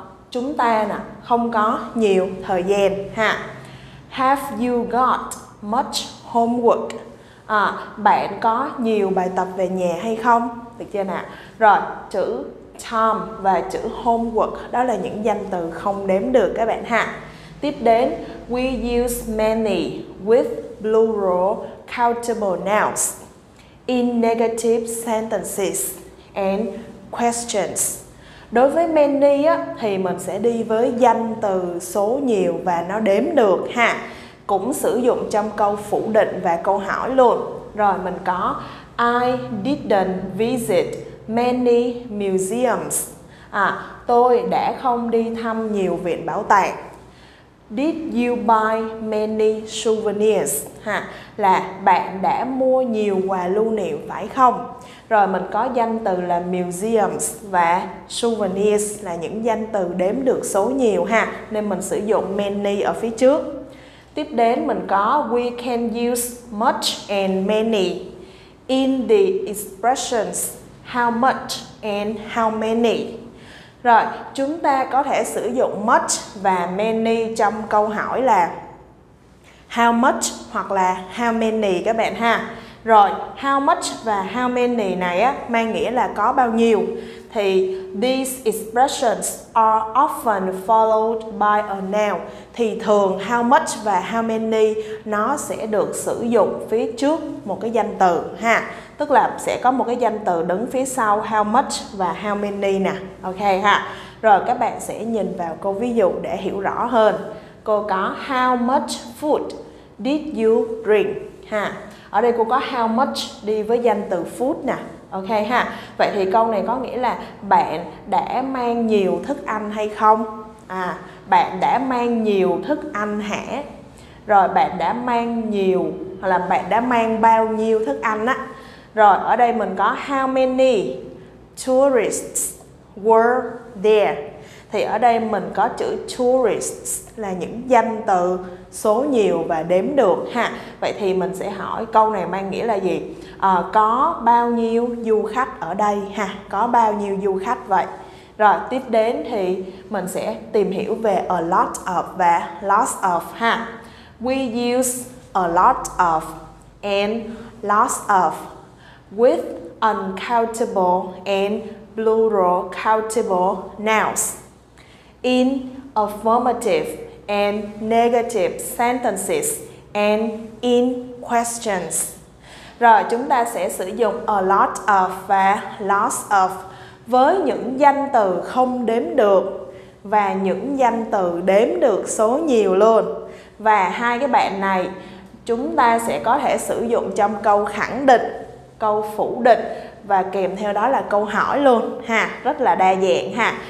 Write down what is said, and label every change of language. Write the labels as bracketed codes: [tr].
[vi] Chúng ta không có nhiều thời gian ha. [en] Have you got much homework? [vi] Bạn có nhiều bài tập về nhà hay không? Được chưa nào? Rồi, chữ time và chữ homework đó là những danh từ không đếm được các bạn ha. Tiếp đến, [en] we use many with plural countable nouns in negative sentences and questions. [vi] Đối với many á, thì mình sẽ đi với danh từ số nhiều và nó đếm được ha. Cũng sử dụng trong câu phủ định và câu hỏi luôn. Rồi mình có [en] I didn't visit many museums. [vi] Tôi đã không đi thăm nhiều viện bảo tàng. [en] Did you buy many souvenirs? [vi] Là bạn đã mua nhiều quà lưu niệm phải không? Rồi mình có danh từ là museums và souvenirs là những danh từ đếm được số nhiều ha. Nên mình sử dụng many ở phía trước. Tiếp đến mình có [en] we can use much and many in the expressions how much and how many. [vi] Rồi, chúng ta có thể sử dụng much và many trong câu hỏi là how much hoặc là how many các bạn ha. Rồi, how much và how many này á mang nghĩa là có bao nhiêu. [en] Thì these expressions are often followed by a noun. [vi] Thì thường how much và how many nó sẽ được sử dụng phía trước một cái danh từ ha. Tức là sẽ có một cái danh từ đứng phía sau how much và how many nè. Ok ha. Rồi các bạn sẽ nhìn vào câu ví dụ để hiểu rõ hơn. Cô có [en] how much food did you bring ha. [vi] Ở đây cô có how much đi với danh từ food nè. Ok ha. Vậy thì câu này có nghĩa là bạn đã mang nhiều thức ăn hay không? Bạn đã mang nhiều thức ăn hả? Rồi bạn đã mang nhiều hoặc là bạn đã mang bao nhiêu thức ăn á? Rồi ở đây mình có [en] how many tourists were there? [vi] Thì ở đây mình có chữ tourists là những danh từ số nhiều và đếm được ha. Vậy thì mình sẽ hỏi câu này mang nghĩa là gì? Có bao nhiêu du khách ở đây ha? Có bao nhiêu du khách vậy? Rồi tiếp đến thì mình sẽ tìm hiểu về a lot of và lots of ha. [en] We use a lot of and lots of with uncountable and plural countable nouns in affirmative and negative sentences and in questions. [vi] Rồi chúng ta sẽ sử dụng a lot of và lots of với những danh từ không đếm được và những danh từ đếm được số nhiều luôn. Và hai cái bạn này chúng ta sẽ có thể sử dụng trong câu khẳng định, câu phủ định và kèm theo đó là câu hỏi luôn ha, rất là đa dạng ha.